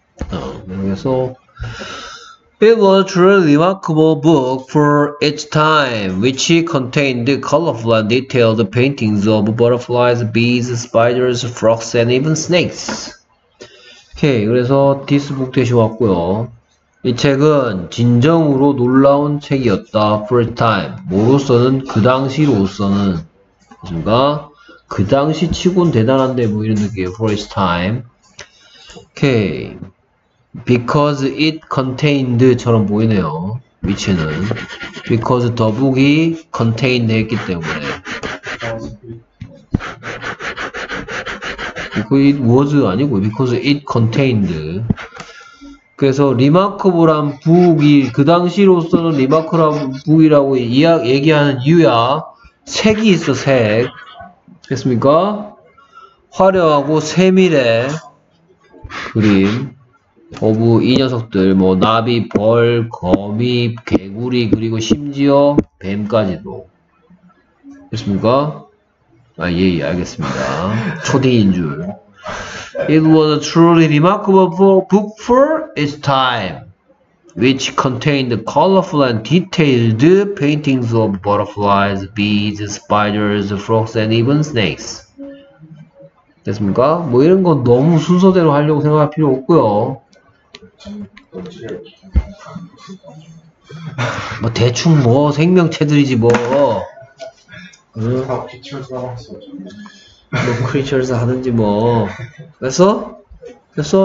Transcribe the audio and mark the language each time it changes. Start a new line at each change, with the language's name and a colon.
Korean: 아, 그래서
English: It was truly remarkable book for its time, which contained colorful and detailed paintings of butterflies, bees, spiders, frogs, and even snakes.
Korean: 오케이, 그래서
English: this book
Korean: 되시 왔고요. 이 책은 진정으로 놀라운 책이었다.
English: For its time,
Korean: 뭐로서는 그 당시로서는 뭔가. 그 당시 치곤 대단한데 뭐 이런 느낌이에요.
English: For its time. Okay. Because it contained
Korean: 처럼 보이네요. 위치는.
English: Because the book이 contained
Korean: 했기 때문에.
English: Because it was
Korean: 아니고
English: because it contained.
Korean: 그래서 remarkable한 book이 그 당시로서는 remarkable한 book이라고 얘기하는 이유야. 색이 있어, 색. 됐습니까? 화려하고 세밀해 그림 오브 이 녀석들 뭐 나비, 벌, 거미, 개구리 그리고 심지어 뱀까지도 됐습니까? 아 예, 예 알겠습니다. 초딩인 줄.
English: It was a truly remarkable book for its time, which contained colorful and detailed paintings of butterflies, bees, spiders, frogs, and even snakes.
Korean: 됐습니까? 뭐 이런 건 너무 순서대로 하려고 생각할 필요 없고요. 뭐 대충 뭐 생명체들이지 뭐. 다 creatures 뭐 creatures 하는지 뭐. 됐어? 됐어?